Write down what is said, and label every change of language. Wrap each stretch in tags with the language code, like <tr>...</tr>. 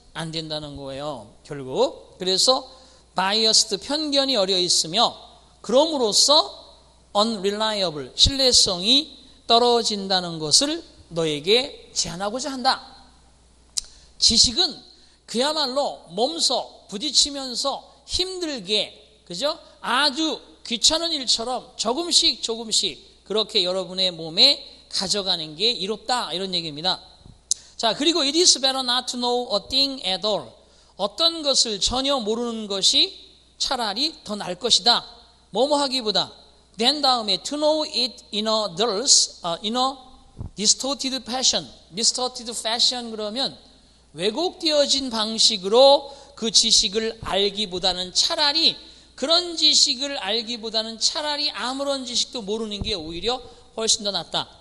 <ko>안 된다는 거예요. 결국 그래서 biased 편견이 어려 있으며 그럼으로써 unreliable 신뢰성이 떨어진다는 것을 너에게 제안하고자 한다. 지식은 그야말로 몸서 부딪히면서 힘들게 그죠? 아주 귀찮은 일처럼 조금씩 조금씩 그렇게 여러분의 몸에 가져가는 게 이롭다 이런 얘기입니다. 자, 그리고</ko> <en>it is better not to know a thing at all.</en> <ko>어떤 것을 전혀 모르는 것이 차라리 더 나을 것이다. 뭐뭐 하기보다</ko> <en>then</en> <ko>다음에</ko> <en>to know it in a dulse, in a distorted fashion.</en> <ko>distorted fashion 그러면 왜곡되어진 방식으로 그 지식을 알기보다는 차라리 그런 지식을 알기보다는 차라리 아무런 지식도 모르는 게 오히려 훨씬 더 낫다.</ko>